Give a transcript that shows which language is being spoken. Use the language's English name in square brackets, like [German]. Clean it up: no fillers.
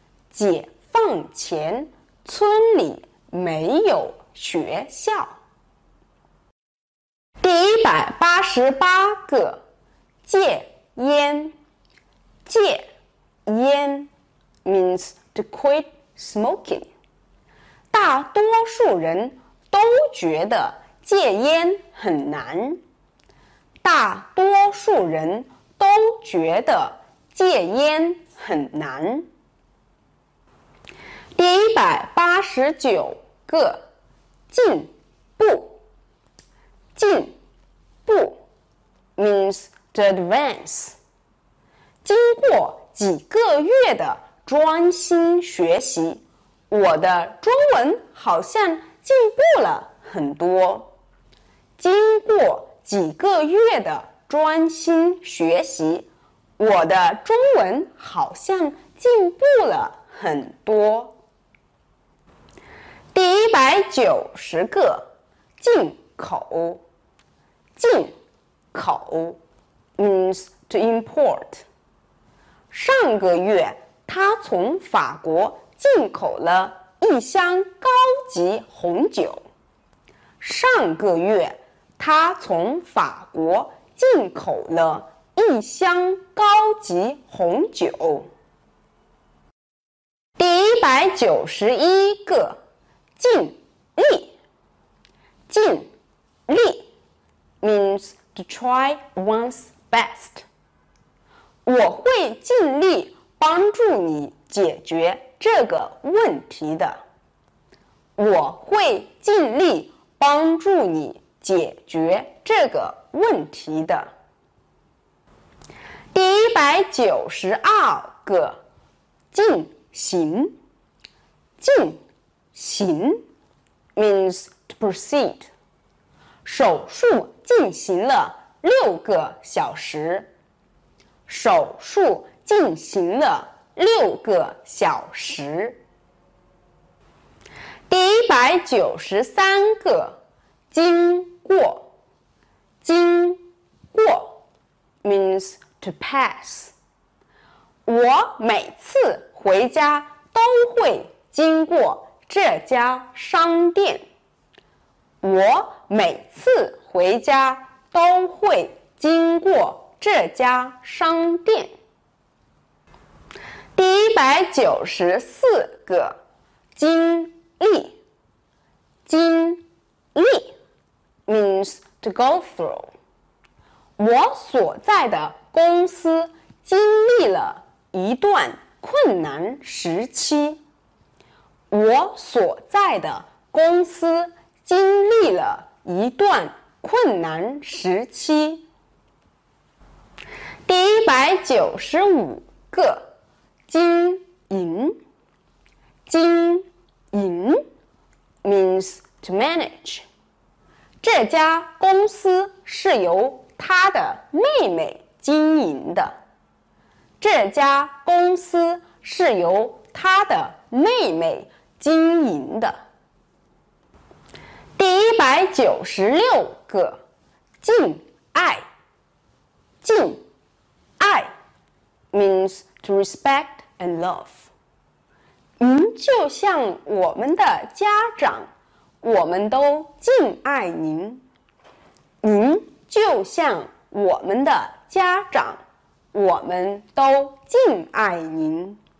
[Chinese] 解放前村里没有学校。第一百八十八个，戒烟。 [English] 戒烟 means to quit smoking. [Chinese] 大多数人都觉得戒烟很难。大多数人都觉得戒烟很难。第一百八十九个，进步。 [English] 进步 means to advance. [Chinese] 经过几个月的专心学习，我的中文好像进步了很多。经过几个月的专心学习，我的中文好像进步了很多。第一百九十个，进口。 [English] 进口 means to import. [Chinese] 上个月他从法国进口了一箱高级红酒。上个月他从法国进口了一箱高级红酒。第一百九十一个，尽力。 [English] 尽力 means to try one's best. [Chinese] 我会尽力帮助你解决这个问题的。我会尽力帮助你解决这个问题的。第192个，进行。 [English] 进行 means to proceed. [Chinese] 手术进行了6个小时。手术进行了6个小时。第193个，经过。 [English] 经过 means to pass. [Chinese] 我每次回家都会经过这家商店。我每次回家都会经过这家商店。第194个，经历。 [English] 经历 means to go through. [Chinese] 我所在的公司经历了一段困难时期。我所在的公司经历了一段困难时期。第195个，经营。 [English] 经营 means to manage. [Chinese] 这家公司是由他的妹妹经营的。这家公司是由他的妹妹经营的。第196个，敬爱。 [English] 敬爱 means to respect and love. [Chinese] 您就像我们的家长，我们都敬爱您。您就像我们的家长，我们都敬爱您。